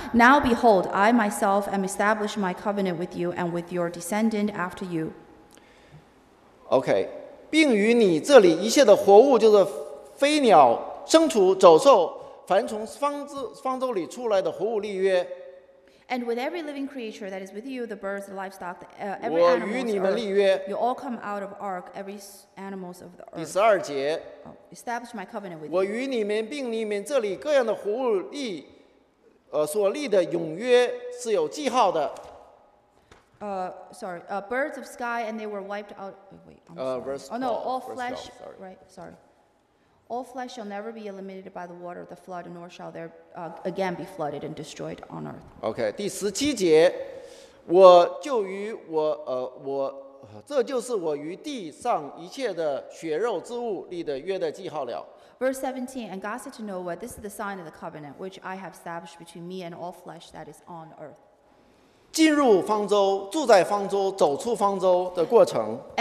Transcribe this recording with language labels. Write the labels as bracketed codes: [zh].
[en] Now, behold, I myself am establishing my covenant with you and with your descendant after you. Okay. [zh] 并与你这里一切的活物，就是飞鸟、牲畜、走兽。凡从方舟里出来的活物立约。 [en] And with every living creature that is with you, the birds, the livestock, every animal. [zh] 我与你们立约。 [en] You all come out of ark, every animals of the earth. [zh] 第十二节。 [en] Establish my covenant with you. [zh] 我与你们并你们这里各样的活物立，所立的永约是有记号的。 [en] Birds of sky and they were wiped out. Wait, verse 12, oh no, all flesh, right? Sorry. All flesh shall never be eliminated by the water of the flood, nor shall there again be flooded and destroyed on earth. Okay, [zh] 第十七节，我就与我我这就是我与地上一切的血肉之物立的约的记号了。 [en] Verse 17, and God said to Noah, "This is the sign of the covenant which I have established between me and all flesh that is on earth." [zh] 进入方舟，住在方舟，走出方舟的过程。